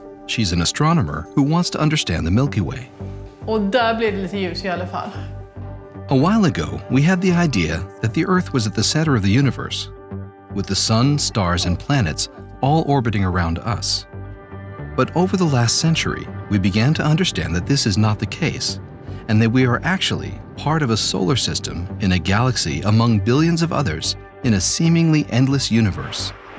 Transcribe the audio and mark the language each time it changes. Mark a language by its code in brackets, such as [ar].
[en] She's an astronomer who wants to understand the Milky Way. [sv] Och där blev det lite ljus I alla fall. [en] A while ago, we had the idea that the Earth was at the center of the universe, with the sun, stars, and planets all orbiting around us. But over the last century, we began to understand that this is not the case, and that we are actually part of a solar system in a galaxy among billions of others in a seemingly endless universe.